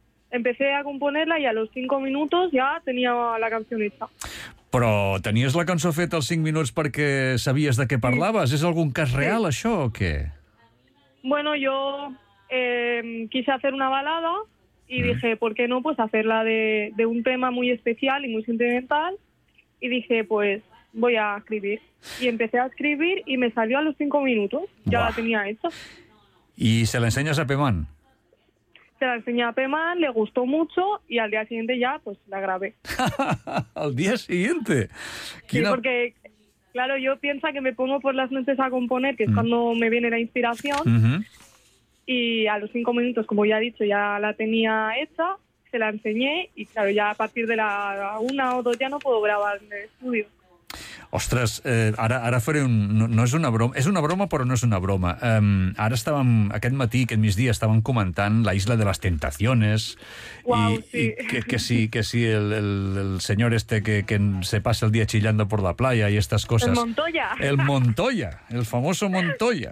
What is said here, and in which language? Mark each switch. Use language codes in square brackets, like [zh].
[es] Empecé a componerla y a los 5 minutos ya tenía la canción hecha. [ca] Però tenies la cançó feta als 5 minuts perquè sabies de què parlaves? Sí. És algun cas real, sí, això, o què? [es] Bueno, yo... quise hacer una balada y dije, ¿por qué no? Pues hacerla de un tema muy especial y muy sentimental, y dije, pues voy a escribir, y empecé a escribir y me salió a los 5 minutos, ya. Buah. La tenía hecha. ¿Y se la enseñas a Peman? se la enseñé a Pemán, le gustó mucho y al día siguiente ya pues la grabé. ¿Al día siguiente? Sí, porque claro, yo pienso que me pongo por las noches a componer, que es cuando me viene la inspiración, y a los 5 minutos, como ya he dicho, ya la tenía hecha, se la enseñé y claro, ya a partir de la 1 o 2 ya no puedo grabar en el estudio. [ca] Ostres, ara faré un... No, no és una broma, és una broma, però no és una broma. Ara estàvem, aquest matí, aquest migdia, estàvem comentant La Isla de las Tentaciones. Uau, wow, sí. I que sí el senyor este que se passa el dia [es] chillando por la playa [ca] i estas coses. El Montoya. El Montoya, el famoso Montoya.